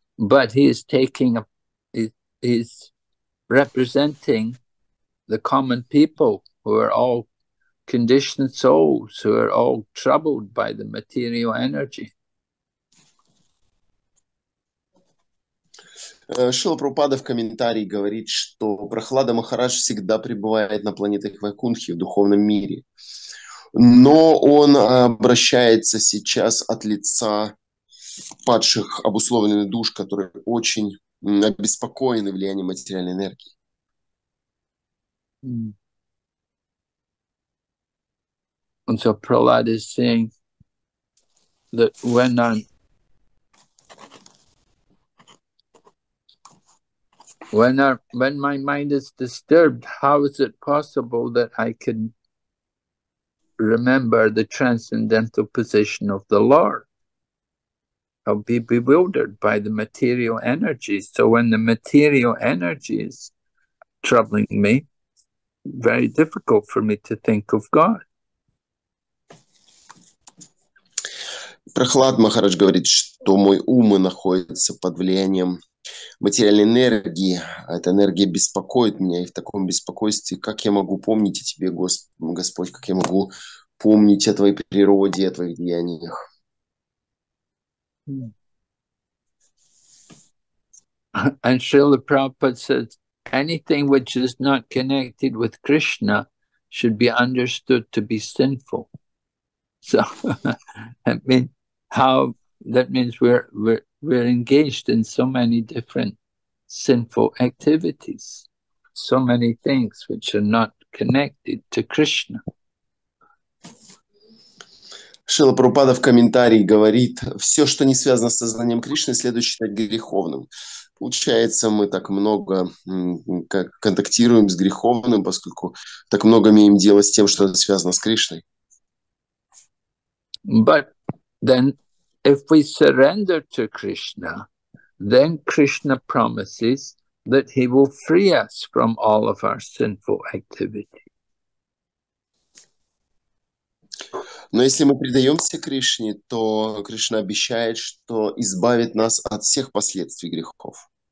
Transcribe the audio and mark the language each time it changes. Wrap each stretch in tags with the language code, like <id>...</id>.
<en>But he is taking a, he's representing the common people who are all conditioned souls who are all troubled by the material energy.</en> <ru>Шрила Прабхупада в комментарии говорит, что Прахлада Махарадж всегда пребывает на планетах Вайкунтхи в духовном мире. Но он обращается сейчас от лица падших обусловленных душ, которые очень обеспокоены влиянием материальной энергии.</ru> <en>And so Prahlad is saying that when I'm, when my mind is disturbed, how is it possible that I can remember the transcendental position of the Lord? I'll be bewildered by the material energy. So when the material energy is troubling me, very difficult for me to think of God.</en> <ru>Прохлад Махарадж говорит, что мой ум находится под влиянием материальной энергии. Эта энергия беспокоит меня, и в таком беспокойстве, как я могу помнить о тебе, Господь, как я могу помнить о твоей природе, о твоих деяниях?</ru> <en>And Srila Prabhupada says, anything which is not connected with Krishna should be understood to be sinful. So, that means we're engaged in so many different sinful activities, so many things which are not connected to Krishna.</en> <ru>Шрила Прабхупада в комментарии говорит, все, что не связано с сознанием Кришны, следует считать греховным. Получается, мы так много контактируем с греховным, поскольку так много имеем дело с тем, что связано с Кришной.</ru> <en>But then, if we surrender to Krishna, then Krishna promises that he will free us from all of our sinful activity.</en> <ru>Но если мы предаемся Кришне, то Кришна обещает, что избавит нас от всех последствий грехов.</ru>